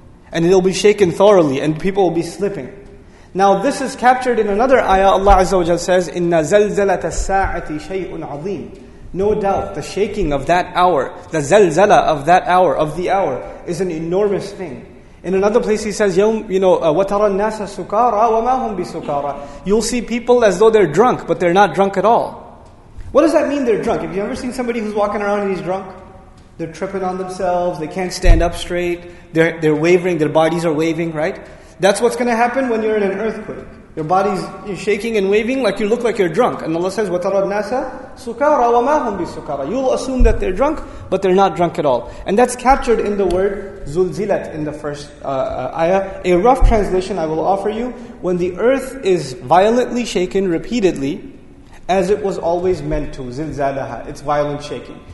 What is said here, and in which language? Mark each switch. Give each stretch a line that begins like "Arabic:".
English: And it'll be shaken thoroughly and people will be slipping. Now this is captured in another ayah. Allah Azza wa Jal says,
Arabic: إِنَّ زَلْزَلَةَ السَّاعَةِ شَيْءٌ عَظِيمٌ.
English: No doubt, the shaking of that hour, the zalzala of that hour, of the hour, is an enormous thing. In another place he says,
Arabic: وَتَرَى النَّاسَ سُكَارَى وَمَا هُمْ بِسُكَارَى.
English: You'll see people as though they're drunk, but they're not drunk at all. What does that mean they're drunk? Have you ever seen somebody who's walking around and he's drunk? They're tripping on themselves, they can't stand up straight, they're wavering, their bodies are waving, right? That's what's going to happen when you're in an earthquake. Your body's shaking and waving like you look like you're drunk. And Allah says,
Arabic: وَتَرَى النَّاسَ سُكَارَى وَمَا هُمْ بِسُكَارَى.
English: You'll assume that they're drunk, but they're not drunk at all. And that's captured in the word زُلْزِلَتْ in the first ayah. A rough translation I will offer you. When the earth is violently shaken repeatedly, as it was always meant to, زِلْزَالَهَا. It's violent shaking.